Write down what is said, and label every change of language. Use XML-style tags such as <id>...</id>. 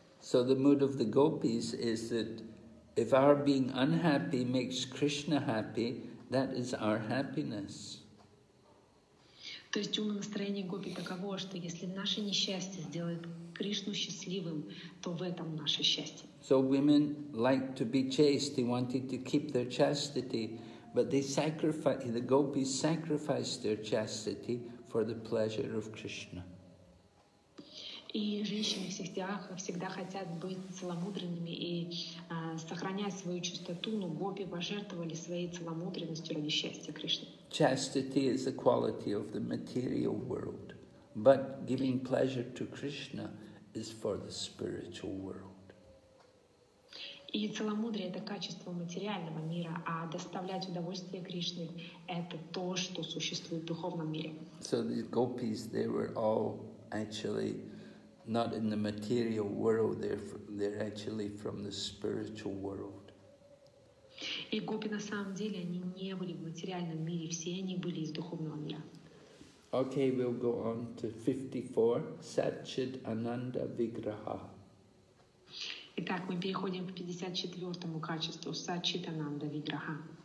<en>So the mood of the gopis is that if our being unhappy makes Krishna happy, that is our happiness.</en> <ru>То есть умонастроение гопи таково, что если наше несчастье сделает Кришну счастливым, то в этом наше счастье.</ru> <en>So women like to be chaste, they wanted to keep their chastity, but the gopis sacrificed their chastity for the pleasure of Krishna.</en> <ru>И женщины всех тех всегда хотят быть целомудренными и сохранять свою чистоту, но гопи пожертвовали своей целомудренностью ради счастья Кришны.</ru> <en>Chastity is a quality of the material world, but giving pleasure to Krishna is for the spiritual world.</en> <ru>И целомудрие — это качество материального мира, а доставлять удовольствие Кришне — это то, что существует в духовном мире.</ru> <en>So the gopis, they were all actually not in the material world, they're actually from the spiritual world.</en> <ru>И гопи на самом деле, они не были в материальном мире, все они были из духовного мира.</ru> <en>Okay, we'll go on to 54. Satchit Ananda Vigraha.</en> <ru>Итак, мы переходим к 54-му качеству – Сачитананда Виграха.</ru>